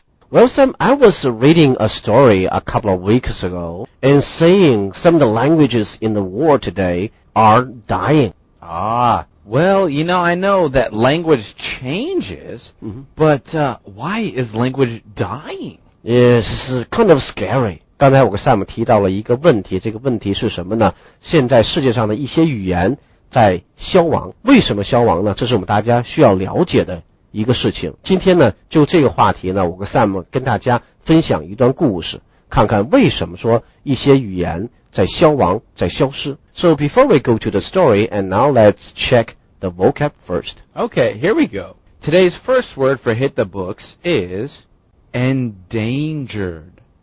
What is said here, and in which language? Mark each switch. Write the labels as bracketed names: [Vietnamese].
[English] Well, Sam, I was reading a story a couple of weeks ago and saying some of the languages in the world today are dying. Well, you know, I know that language changes, but why is language dying? It's kind of scary. [Chinese] 刚才我跟 Sam 提到了一个问题，这个问题是什么呢？现在世界上的一些语言在消亡，为什么消亡呢？这是我们大家需要了解的一个事情。今天呢，就这个话题呢，我跟 Sam 跟大家分享一段故事，看看为什么说一些语言在消亡，在消失。 [English] So before we go to the story, and now let's check the vocab first. Okay, here we go. Today's first word for hit the books is endangered.